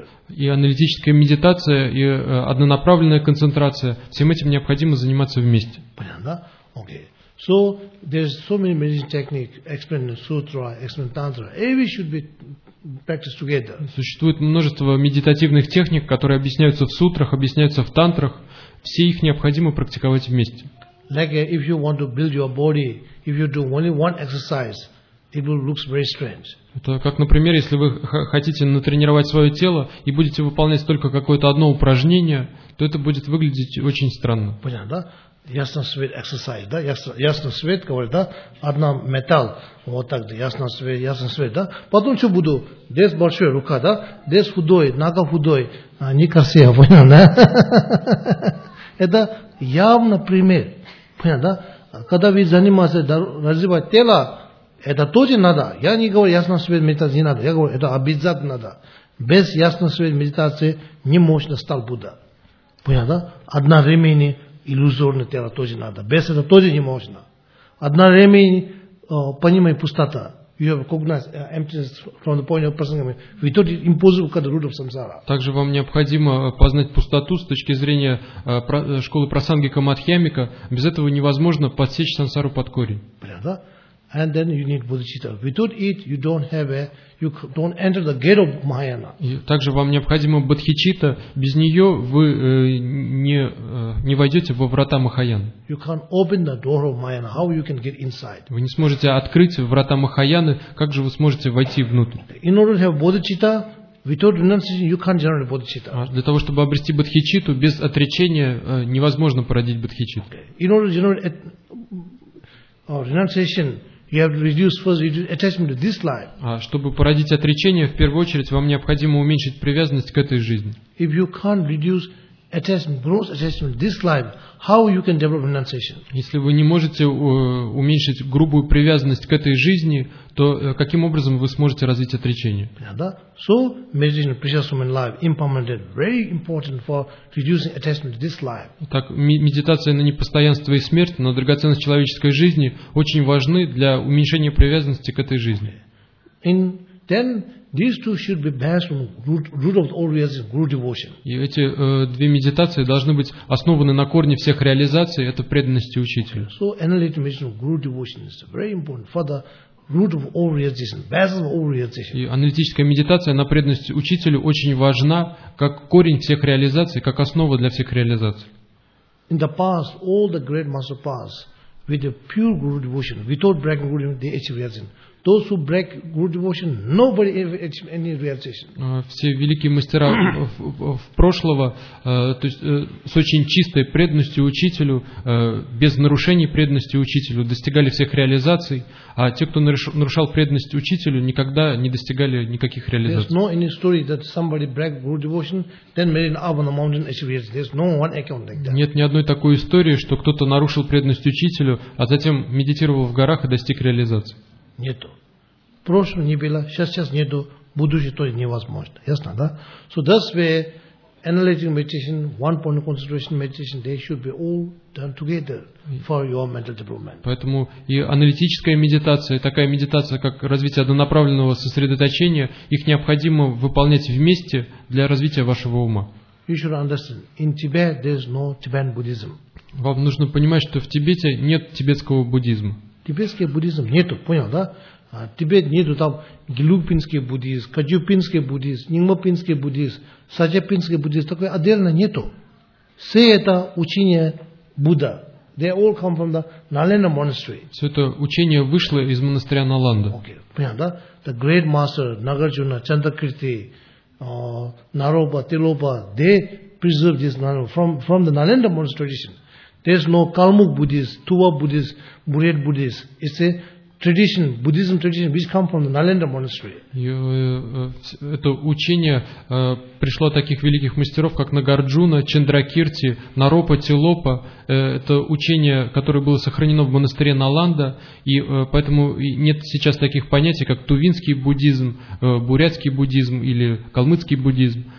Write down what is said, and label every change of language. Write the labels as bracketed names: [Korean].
[Russian] И аналитическая медитация, и однонаправленная концентрация, всем этим необходимо заниматься вместе. Понятно, да? [English] Okay. So, there's so many meditation techniques, explaining sutra, explaining tantra. Everything should be practiced together. [Russian] Существует множество медитативных техник, которые объясняются в сутрах, объясняются в тантрах. Все их необходимо практиковать вместе. [English] Like, if you want to build your body, if you do only one exercise, it will look very strange. [Russian] Это как, например, если вы хотите натренировать свое тело и будете выполнять только какое-то одно упражнение, то это будет выглядеть очень странно. Понятно, да? Ясно свет, exercise, да? Ясно свет, говорю, да? Одна металл, вот так, да? Ясно свет, да? Потом что буду? Здесь большая рука, да? Здесь худой, нога худой, не красиво, понятно, да? Это явно пример, понятно, да? Когда вы занимаетесь развивать тело, это тоже надо. Я не говорю, ясно свет медитации не надо. Я говорю, это обязательно надо. Без ясно свет медитации не можно стал Будда. Понятно? Одна времени иллюзорное тело тоже надо. Без этого тоже не можно. Одна времени понимай пустота. [English] You have cognized emptiness from the point of personal. We told you impossible because the root of samsara. [Russian] Также вам необходимо познать пустоту с точки зрения школы прасангика Мадхьямика. Без этого невозможно подсечь сансару под корень. Понятно? [English] And then you need bodhicitta. Without it, you don't have you don't enter the gate of Mahayana. [Russian] Также вам необходимо бодхичитта. Без нее вы не войдете во врата Махаяны. [English] You can't open the door of Mahayana. How you can get inside? [Russian] Вы не сможете открыть врата Махаяны. Как же вы сможете войти внутрь? [English] In order to have bodhicitta, without renunciation, you can't generate bodhicitta. [Russian] Для того чтобы обрести бодхичитту, без отречения невозможно породить бодхичитту. [English] Okay. In order to generate renunciation, you have to reduce first attachment to this life. [Russian] Чтобы породить отречение, в первую очередь вам необходимо уменьшить привязанность к этой жизни. [English] If you can't reduce attachment, gross attachment to this life, how you can develop renunciation? [Russian] Если вы не можете уменьшить грубую привязанность к этой жизни, то каким образом вы сможете развить отречение? [English] Да. So meditation of precious human life, impermanent, very important for reducing attachment to this life. [Russian] Так, медитация на непостоянство и смерть, на драгоценность человеческой жизни очень важны для уменьшения привязанности к этой жизни. [English] In then these two should be based on root of all realization, guru devotion. [Russian] И эти две медитации должны быть основаны на корне всех реализаций, это преданности учителю. [English] So analytical meditation, guru devotion is very important for the root of all realization, basis of all realization. [Russian] И аналитическая медитация на преданность учителю очень важна как корень всех реализаций, как основа для всех реализаций. [English] In the past, all the great master paths with a pure guru devotion, without breaking guru devotion, they achieve realization. Those who break guru devotion, nobody achieve any realization. [Russian] Все великие мастера в прошлого, то есть с очень чистой преданностью учителю, без нарушений преданности учителю, достигали всех реализаций, а те, кто нарушал преданность учителю, никогда не достигали никаких реализаций. [English] There's no any story that somebody break guru devotion, then made an up on the mountain achieve realization. There's no one account like that. [Russian] Нет ни одной такой истории, что кто-то нарушил преданность учителю, а затем медитировал в горах и достиг реализации. Нету. Прошлого не было, сейчас нету, будущее тоже невозможно. Ясно, да? [English] So that's where analytic meditation, one point of concentration meditation, they should be all done together for your mental development. [Russian] Поэтому и аналитическая медитация, и такая медитация, как развитие однонаправленного сосредоточения, их необходимо выполнять вместе для развития вашего ума. [English] You should understand, in Tibet there's no Tibetan Buddhism. [Russian] Вам нужно понимать, что в Тибете нет тибетского буддизма. Тибетский буддизм нету, понял, да? Тибет нету там гелугпинский буддизм, кадюпинский буддизм, нингмопинский буддизм, саджапинский буддизм, такое отдельно нету. Все это учение Будда. [English] They all come from the Nalanda monastery. [Russian] Все это учение вышло из монастыря Наланда. [English] Okay, [Russian] понял, да? [English] The great master Нагарджуна, Чандракирти, Нароба, Тилопа, they preserved this from the Nalanda monastery tradition. There's no Kalmyk Buddhists, Tuva Buddhists, Buryat Buddhists. It's a tradition, Buddhism tradition, which comes from the Nalanda Monastery. [Russian] Это учение пришло от таких великих мастеров, как Нагарджуна, Чандракирти, Наропа, Тилопа. Это учение, которое было сохранено в монастыре Наланда, и поэтому нет сейчас таких понятий, как тувинский буддизм, бурятский буддизм или калмыцкий буддизм.